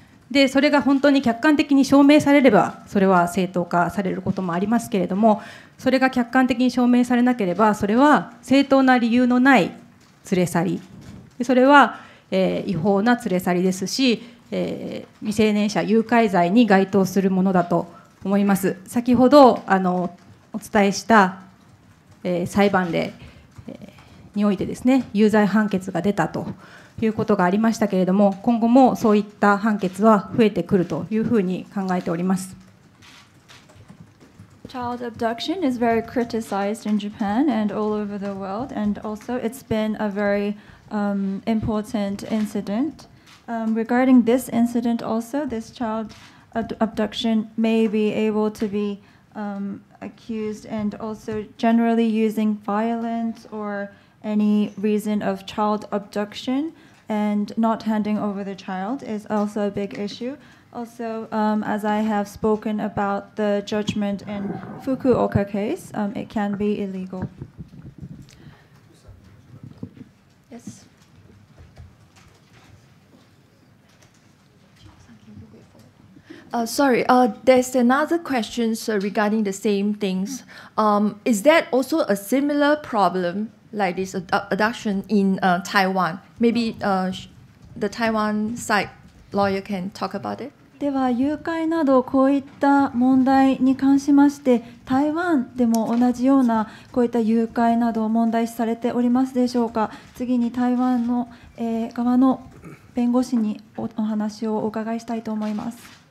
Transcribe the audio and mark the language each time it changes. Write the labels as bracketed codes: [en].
[ja] で、それが本当に客観的に証明されればそれは正当化されることもありますけれども、それが客観的に証明されなければ、それは正当な理由のない連れ去り、それは、違法な連れ去りですし、未成年者誘拐罪に該当するものだと思います。先ほどお伝えした、裁判例においてですね、有罪判決が出たということがありましたけれども、今後もそういった判決は増えてくるというふうに考えております。 [en] Child abduction is very criticized in Japan and all over the world, and also it's been a very important incident. Regarding this incident also, this child abduction may be able to be accused, and also generally using violence orany reason of child abduction and not handing over the child is also a big issue. Also, as I have spoken about the judgment in Fukuoka case, it can be illegal. Yes. Sorry, there's another question regarding the same things. Is that also a similar problem like this abduction in Taiwan? Maybe the Taiwan side lawyer can talk about it? [ja] では誘拐などこういった問題に関しまして台湾でも同じようなこういった誘拐など問題視されておりますでしょうか次に台湾の、側の弁護士に お話をお伺いしたいと思います